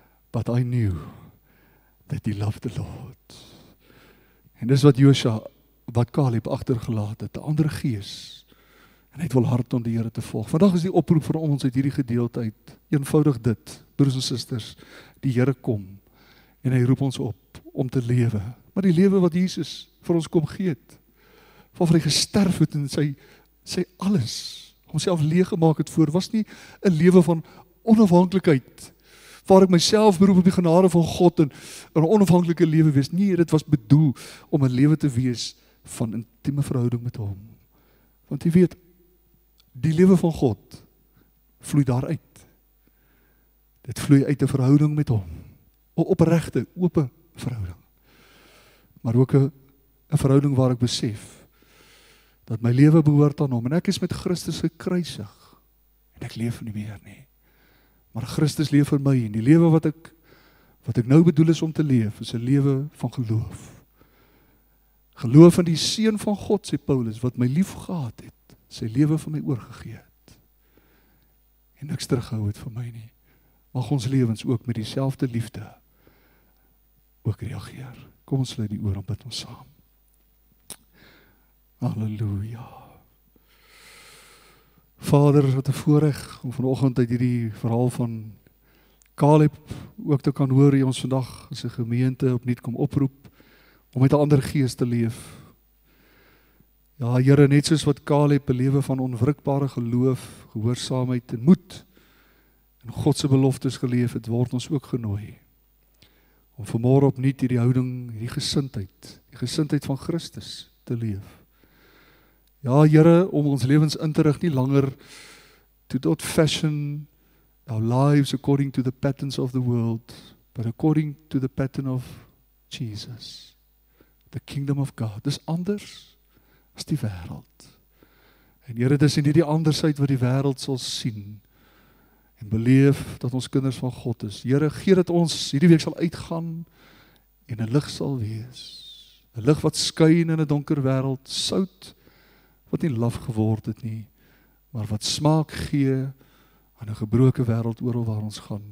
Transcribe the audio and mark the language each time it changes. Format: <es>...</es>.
<en>But I knew that he loved the Lord.</en> <af>En dis wat Josua, wat Kaleb agtergelaat het, 'n ander gees. En hy het wel hard om die Here te volg. Vandag is die oproep vir ons uit hierdie gedeelte uit, eenvoudig dit, broers en susters, die Here kom. En hy roep ons op om te lewe. maar die lewe wat Jesus vir ons kom gee het, waarvan hy gesterf het en sy alles homself leeggemaak het voor, was nie 'n lewe van onafhanklikheid, waar ek myself beroep op die genade van God en 'n onafhanklike lewe wees. Nee, dit was bedoel om 'n lewe te wees van intieme verhouding met hom. Want jy weet, die lewe van God vloei daaruit. Dit vloei uit 'n verhouding met hom. 'N opregte, ope verhouding. Maar ook 'n verhouding waar ek besef dat my lewe behoort aan hom. En ek is met Christus gekruisig. En ek leef nie meer nie. Maar Christus leef in my. En die lewe wat ek nou bedoel is om te leef, is 'n lewe van geloof. Geloof in die Seun van God, sê Paulus, wat my lief gehad het, sy lewe vir my oorgegee het. En niks terughou het vir my nie. Mag ons lewens ook met dieselfde liefde ook reageer. Kom ons sluit die oor en bid ons saam. Halleluja. Vader, wat 'n voorreg om vanoggend uit hierdie verhaal van Caleb ook te kan hoor, hoe ons vandag as 'n gemeente opnuut kom oproep om met 'n ander gees te leef. Ja, Here, net soos wat Caleb 'n lewe van onwrikbare geloof, gehoorsaamheid en moed en God se beloftes geleef het, word ons ook genooi om vanmôre opnuut hierdie houding, hierdie gesindheid, die gesindheid van Christus te leef. Ja, Here, om ons lewens in te rig nie langer</af> <en>to dot fashion our lives according to the patterns of the world, but according to the pattern of Jesus, the kingdom of God.</en> <af>Dis anders as die wêreld. En Here, dis in hierdie andersheid wat die wêreld sal sien en beleef dat ons kinders van God is. Here, gee dat ons hierdie week sal uitgaan en 'n lig sal wees. 'N lig wat skyn in 'n donker wêreld, sout wat nie laf geword het nie, maar wat smaak gee aan 'n gebroke wêreld oral waar ons gaan.</af>